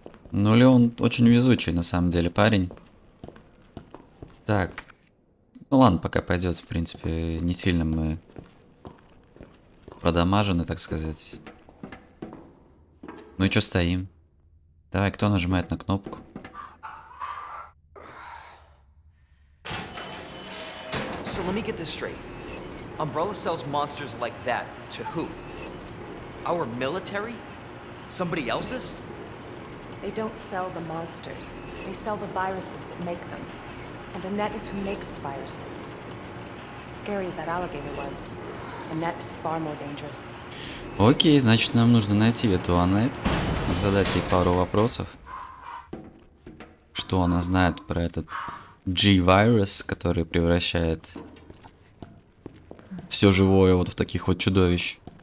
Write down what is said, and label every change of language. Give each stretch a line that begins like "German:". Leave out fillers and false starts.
Russian: Ну, Леон очень везучий, на самом деле, парень. Так. Ну ладно, пока пойдет, в принципе, не сильно мы продамажены, так сказать. Ну и что стоим? Давай, кто нажимает на кнопку?
English: So let me get this straight. Umbrella sells monsters like that to who? Our military? Somebody else's? They don't sell the monsters. They sell the viruses that make them. And Annette is who makes the viruses. Scary as that alligator was, Annette is far more dangerous.
Russian: Окей, значит, нам нужно найти эту Аннет, задать ей пару вопросов. Что она знает про этот G-вирус, который превращает все живое вот в таких вот чудовищ.